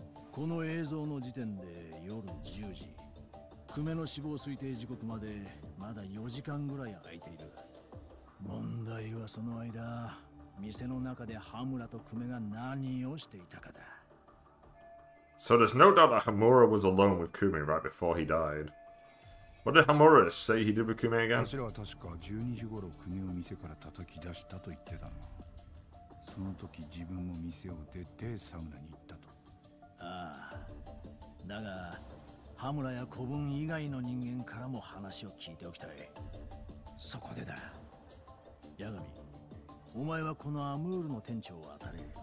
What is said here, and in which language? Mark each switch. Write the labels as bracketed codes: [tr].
[ja] この映像の時点で夜10時。久米の死亡推定時刻までまだ4時間ぐらい空いている。問題はその間、店の中でハムラと久米が何をしていたかだ。 [en] So there's no doubt that Hamura was alone with Kume right before he died. What did Hamura say he did with Kume again? [ja] Hamura は確か12時頃クメを店から叩き出したと言ってたの。その時自分も店を出てサウナに行ったと。ああ。だが、ハムラや子分以外の人間からも話を聞いておきたい。そこでだ。ヤガミ、お前はこのアムールの店長を当たれ。